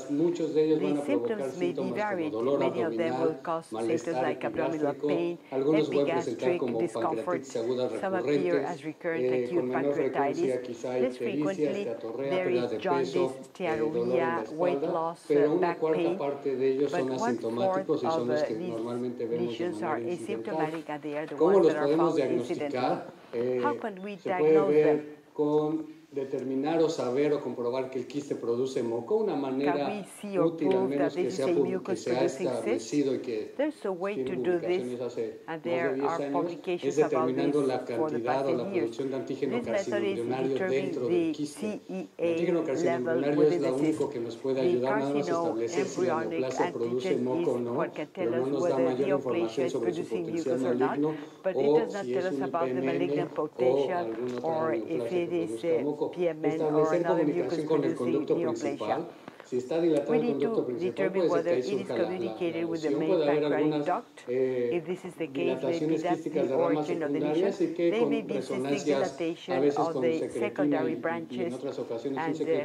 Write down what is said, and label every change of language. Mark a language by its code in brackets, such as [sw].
[en] The symptoms may be varied. Many of them will cause symptoms like abdominal pain, epigastric discomfort, some appear as recurrent acute pancreatitis. Less frequently, there is jaundice, tiaroidea, weight loss, back pain. But one fourth of these lesions are asymptomatic and they are the ones that are found incidentally. How can we diagnose them? [es] Determinar o saber o comprobar que el quiste produce moco, una manera útil al menos que sea establecido y que tiene publicaciones hace más de 10 años, es determinando la cantidad o la producción de antígeno carcinolibulinario dentro del quiste. El antígeno carcinolibulinario es lo único que nos puede ayudar nada más a establecer si la neoplasia produce moco o no, pero no nos da mayor información sobre su potencial maligno o si es un IPMN o alguna otra neoplasia que produzca moco. [en] PMN or another mucus producing neoplasia. We need to determine whether it is communicated with the main pancreatic duct. If this is the case, maybe that's the origin of the lesion. They may be cystic dilatation of the secondary branches, and